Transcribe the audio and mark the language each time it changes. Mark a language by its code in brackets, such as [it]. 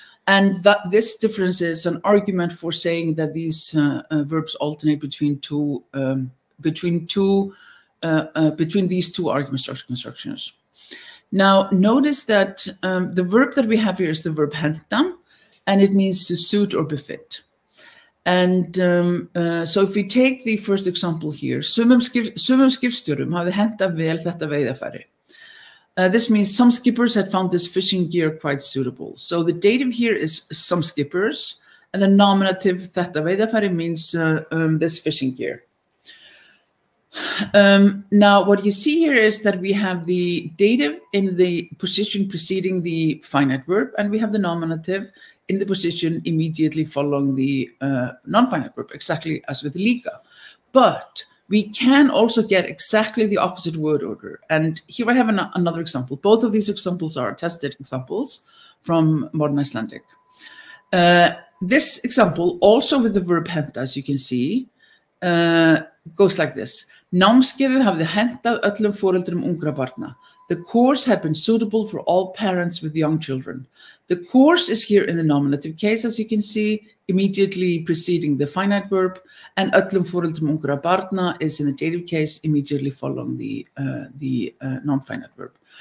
[en] And that this difference is an argument for saying that these verbs alternate between these two argument structure constructions. Now, notice that the verb that we have here is the verb henta, and it means to suit or befit. And so if we take the first example here, [is] sumum skipstjórum hafði hentað vel þetta veiðarfæri. [en] This means some skippers had found this fishing gear quite suitable. So the dative here is some skippers, and the nominative [is] þetta veiðarfæri [en] means this fishing gear. Now, what you see here is that we have the dative in the position preceding the finite verb, and we have the nominative in the position immediately following the non-finite verb, exactly as with liga. But we can also get exactly the opposite word order. And here I have another example. Both of these examples are tested examples from modern Icelandic. This example, also with the verb henta, as you can see, goes like this. [is] Námskeiðið hafði hentað öllum foreldrum ungra barna. [en] The course had been suitable for all parents with young children. The course is here in the nominative case, as you can see, immediately preceding the finite verb, and [is] öllum foreldrum ungra barna [en] is in the dative case, immediately following the non-finite verb.